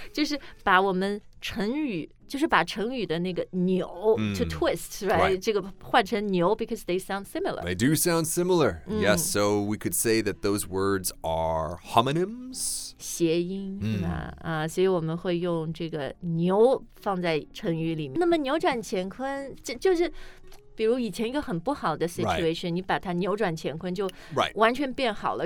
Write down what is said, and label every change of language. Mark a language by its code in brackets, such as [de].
[zh] 就是把我们成语就是把成语的那个牛、 mm, [en] to twist, right? right? [zh] 这个换成牛 [en] because they sound similar. They do sound similar.、Mm. Yes, so we could say that those words are homonyms. [zh] 谐音、mm. 是吧、所以我们会用这个牛放在成语里面。那么扭转乾坤 就是比如以前一个很不好的 situation、你把它扭转乾坤就完全变好了、